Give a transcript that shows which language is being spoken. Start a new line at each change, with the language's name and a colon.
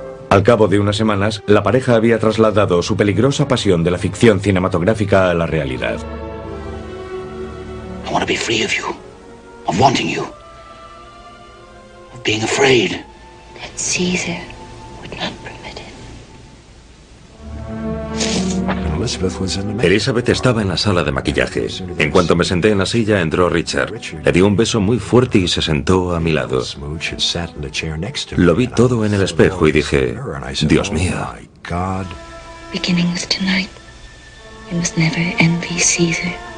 Spanish: Al cabo de unas semanas, la pareja había trasladado su peligrosa pasión de la ficción cinematográfica a la realidad.
English: I want to be free of you, of wanting you, of being afraid. That Caesar would not permit it.
Spanish: Elizabeth estaba en la sala de maquillaje. En cuanto me senté en la silla, entró Richard. Le dio un beso muy fuerte y se sentó a mi lado. Lo vi todo en el espejo y dije, Dios mío.
English: Beginning with tonight, you must never envy Caesar.